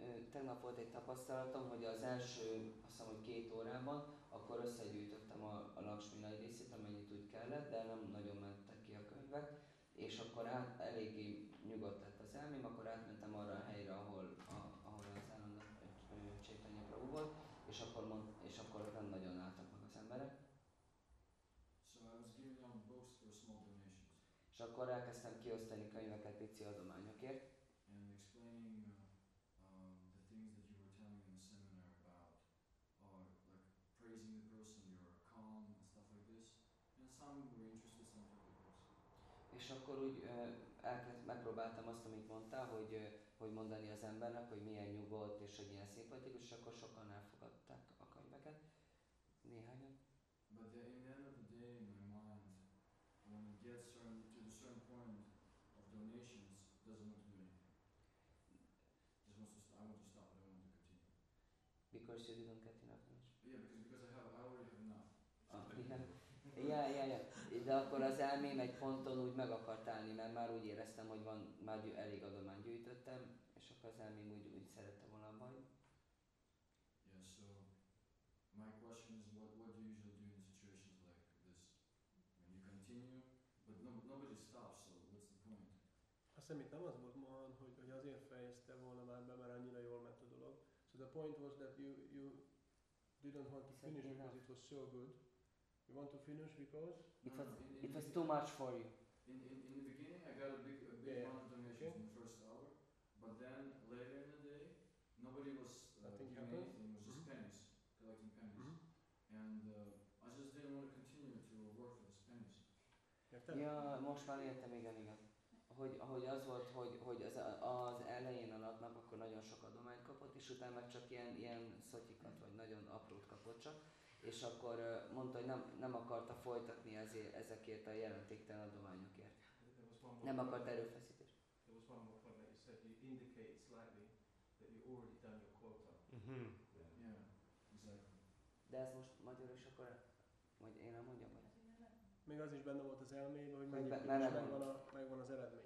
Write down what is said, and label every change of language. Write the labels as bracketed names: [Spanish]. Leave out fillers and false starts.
[Hungarian] tegnap volt egy tapasztalatom, hogy az első, azt hiszem, hogy 2 órában, akkor összegyűjtöttem a Lakshmi nagy részét, amennyit úgy kellett, de nem nagyon mentek ki a könyvek, és akkor eléggé nyugodt lett az elmém, akkor átmentem arra a helyre, ahol az állandó Chaitanya Prabhu volt, és akkor ott nem nagyon álltak meg az emberek. [English] So I was giving out books for small donations. [Hungarian] És akkor elkezdtem kiosztani könyveket pici adományokért. [English] And explaining the things that you were telling in the seminar about, or like praising the person, you're calm and stuff like this. And some were interested, some took the course. [Hungarian] És akkor úgy megpróbáltam azt, amit mondtál, hogy mondani az embernek, hogy milyen nyugodt és hogy milyen szimpatikus, és akkor sokan elfogadták a könyveket, néhányan. [English] But then, in the end of the day, in my mind, when it gets to the certain point of donations, doesn't want to do anything. I want to stop. I don't want to continue. Because you didn't get enough donations. Yeah, because I already have enough. Yeah. [Hungarian] De akkor az elmém egy ponton úgy meg akart állni, mert már úgy éreztem, hogy van, már elég adomány gyűjtöttem, és akkor az elmém úgy szerette volna a baj. [English] Yeah, so my question is what do you usually do in situations like this? When you continue, but nobody stops, so what's the point? [Hungarian] Azt hiszem, itt nem az volt ma, hogy azért fejezte volna már be, mert annyira jól ment a dolog. [English] point was that you didn't want to finish because it was so good. You want to finish because it was too much for you. In the beginning, I got a big amount of donations in the first hour, but then later in the day, nobody was giving anything. It was just pennies, collecting pennies, and I just didn't want to continue to work for this pennies. [Hungarian] Most már értem, igen. Hogy az volt, hogy az elején a napnak akkor nagyon sok adományt kapott, és utána meg csak ilyen szotyikat, vagy nagyon aprót kapott csak, és akkor mondta, hogy nem akarta folytatni ezekért a jelentéktelen adományokért. Nem akart erőfeszítés. [English] There was one more point that you said, you indicate slightly that you already done your quota. Mm-hmm. Yeah, exactly. [Hungarian] De ez most magyar is akkor, vagy én nem mondjam, vagy? Még az is benne volt az elmében, hogy megvan az eredmény.